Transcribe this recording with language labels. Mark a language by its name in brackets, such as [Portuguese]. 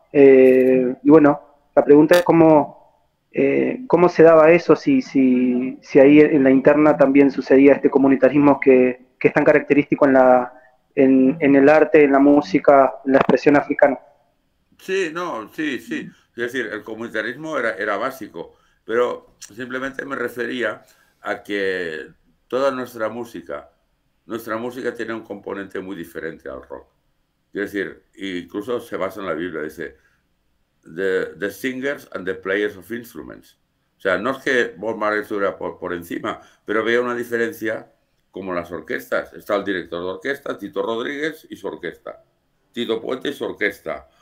[Spanish] Y bueno, la pregunta es cómo se daba eso, si ahí en la interna también sucedía este comunitarismo que es tan característico en el arte, en la música, en la expresión africana. Sí. Es decir, el comunitarismo era básico, pero simplemente me refería a que toda nuestra música tiene un componente muy diferente al rock. Es decir, incluso se basa en la Biblia, dice... [English] The singers and the players of instruments. [Spanish] O sea, no es que Bob Marley estuviera por encima, pero veía una diferencia como las orquestas. Está el director de orquesta, Tito Rodríguez y su orquesta. Tito Puente y su orquesta.